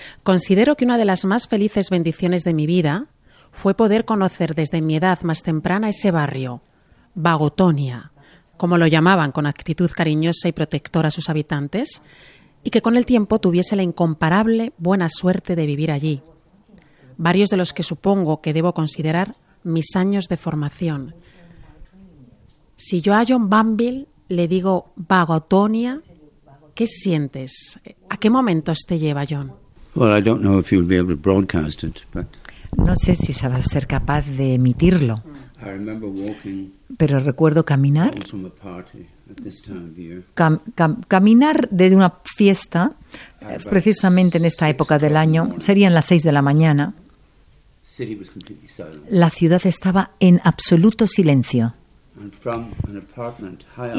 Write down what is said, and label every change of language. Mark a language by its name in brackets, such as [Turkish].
[Spanish] Considero que una de las más felices bendiciones de mi vida fue poder conocer desde mi edad más temprana ese barrio, Bagotonia, como lo llamaban con actitud cariñosa y protectora a sus habitantes, y que con el tiempo tuviese la incomparable buena suerte de vivir allí. Varios de los que supongo que debo considerar mis años de formación. Si yo a John Bumble le digo vagotonia, ¿qué sientes? ¿A qué momentos te lleva, John? [English] Well, I don't know if you'll be able to broadcast it, but... [Spanish] No sé si se va a ser capaz de emitirlo. [English] I remember walking, [Spanish] pero recuerdo caminar. [English] From a party at this time of year. [Spanish] Caminar desde una fiesta, precisamente en esta época del año, serían las 6 de la mañana. [English] City was completely silent. [Spanish] La ciudad estaba en absoluto silencio. [English] And from an apartment high up,